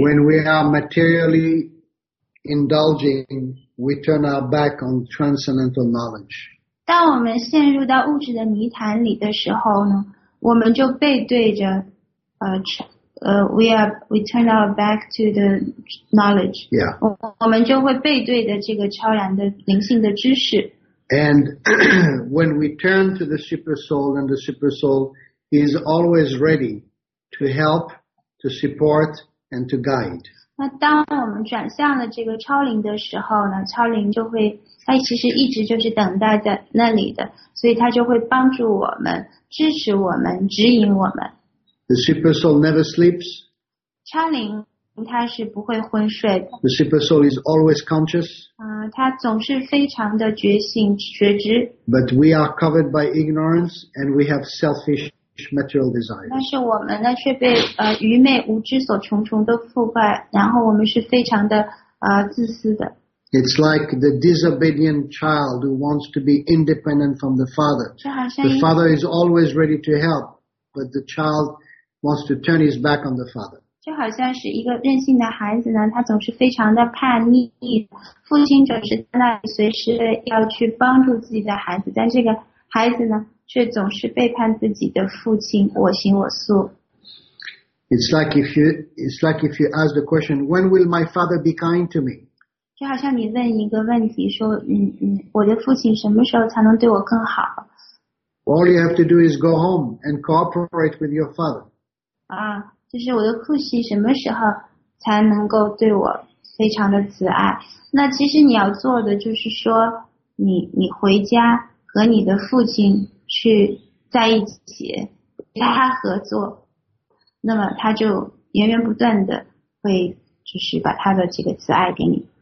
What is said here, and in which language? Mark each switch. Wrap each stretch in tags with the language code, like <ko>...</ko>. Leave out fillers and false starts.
<en>When we are materially indulging, we turn our back on transcendental knowledge.</en> <zh>当我们陷入到物质的泥潭里的时候呢，我们就背对着</zh> <en>we turn our back to the knowledge. Yeah.</en> <zh>我们就会背对着这个超然的灵性的知识。</zh> <en>And when we turn to the super soul, and the super soul is always ready to help, to support, and to guide.</en> <zh>那当我们转向了这个超灵的时候呢，超灵就会，它其实一直就是等待在那里的，所以它就会帮助我们，支持我们，指引我们。</zh> <en>The super soul never sleeps.</en> <zh>超灵它是不会昏睡的。</zh> <en>The super soul is always conscious.</en> <zh>它总是非常的觉醒觉知。</zh> <en>But we are covered by ignorance and we have selfish material desires.</en> <zh>但是我们呢却被愚昧无知所重重的覆盖，然后我们是非常的自私的。</zh> <en>It's like the disobedient child who wants to be independent from the father. The father is always ready to help, but the child wants to turn his back on the father.</en> <zh>就好像是一个任性的孩子呢，他总是非常的叛逆，父亲总是在那里随时要去帮助自己的孩子，但这个孩子呢却总是背叛自己的父亲，我行我素。</zh> <en>It's like if you ask the question, when will my father be kind to me?</en> <zh>就好像你问一个问题说我的父亲什么时候才能对我更好。</zh> <en>All you have to do is go home and cooperate with your father.</en> <zh>就是我的父亲什么时候才能够对我非常的慈爱？那其实你要做的就是说你回家和你的父亲去在一起，跟他合作，那么他就源源不断的会就是把他的这个慈爱给你。</zh>